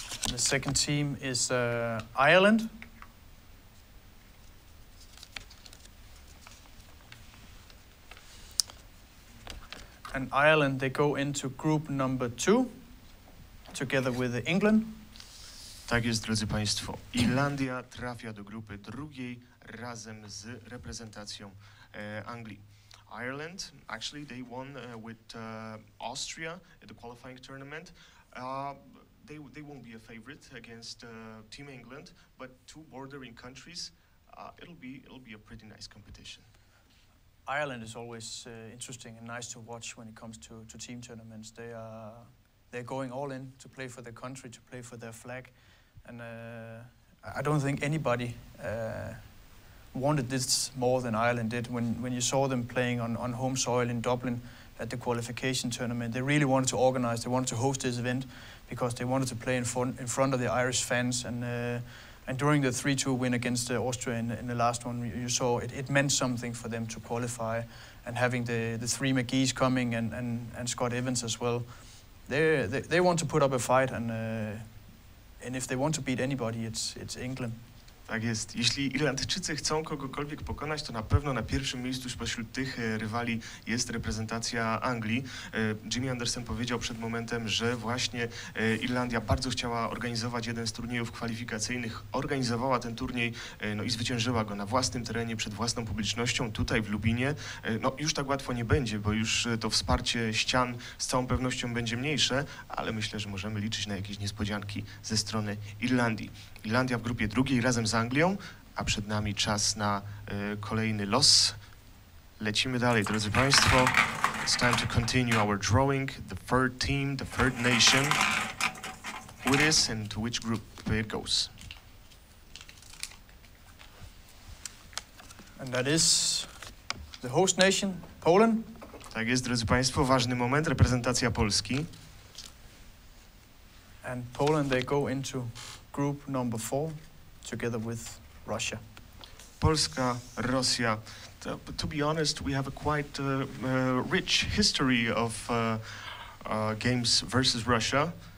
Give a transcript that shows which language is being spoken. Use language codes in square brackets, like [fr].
[en] The second team is Ireland. And Ireland, they go into group number two, together with England. [pl] Tak jest, drodzy państwo. Irlandia trafia do grupy drugiej razem z reprezentacją Anglii. [en] Ireland, actually, they won with Austria at the qualifying tournament. They won't be a favorite against Team England, but two bordering countries, it'll be a pretty nice competition. Ireland is always interesting and nice to watch when it comes to team tournaments. They're going all in to play for their country, to play for their flag, and I don't think anybody wanted this more than Ireland did. When you saw them playing on home soil in Dublin at the qualification tournament, they really wanted to organize. They wanted to host this event because they wanted to play in front of the Irish fans. And during the 3-2 win against Austria in the last one, you saw it meant something for them to qualify, and having the three McGees coming and Scott Evans as well, they want to put up a fight, and if they want to beat anybody, it's England. [pl] Tak jest. Jeśli Irlandczycy chcą kogokolwiek pokonać, to na pewno na pierwszym miejscu spośród tych rywali jest reprezentacja Anglii. Jimmy Andersen powiedział przed momentem, że właśnie Irlandia bardzo chciała organizować jeden z turniejów kwalifikacyjnych. Organizowała ten turniej no i zwyciężyła go na własnym terenie, przed własną publicznością, tutaj w Lublinie. No już tak łatwo nie będzie, bo już to wsparcie ścian z całą pewnością będzie mniejsze, ale myślę, że możemy liczyć na jakieś niespodzianki ze strony Irlandii. Irlandia w grupie drugiej razem z Anglią, a przed nami czas na kolejny los. Lecimy dalej, drodzy państwo. [en] It's time to continue our drawing. The third team, the third nation. Who it is and to which group it goes. And that is the host nation, Poland. [pl] Tak jest, drodzy państwo, ważny moment, reprezentacja Polski. [en] And Poland, they go into group number four, together with Russia. [pl] Polska, Rosja. [en] To be honest, we have a quite rich history of games versus Russia.